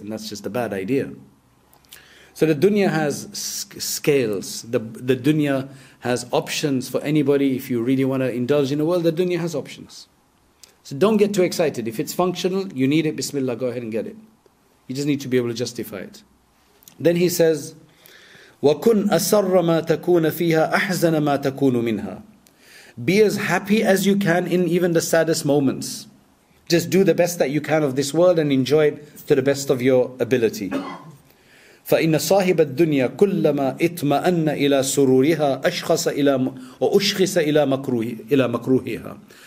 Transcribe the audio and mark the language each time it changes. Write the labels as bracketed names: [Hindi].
[English] And that's just a bad idea. So the dunya has scales. The dunya has options for anybody. If you really want to indulge in the world, the dunya has options. So don't get too excited. If it's functional, you need it, bismillah, go ahead and get it. You just need to be able to justify it. Then he says, [Arabic] وَكُنْ أَسَرَّ مَا تَكُونَ فِيهَا أَحْزَنَ مَا تَكُونُ مِنْهَا. [English] Be as happy as you can in even the saddest moments. Just do the best that you can of this world and enjoy it to the best of your ability. [Arabic] فَإِنَّ صَاحِبَ الدُّنْيَا كُلَّمَا اِطْمَأَنَّ إِلَىٰ سُرُورِهَا أَشْخَصَ إِلَىٰ مَكْرُوهِهَا.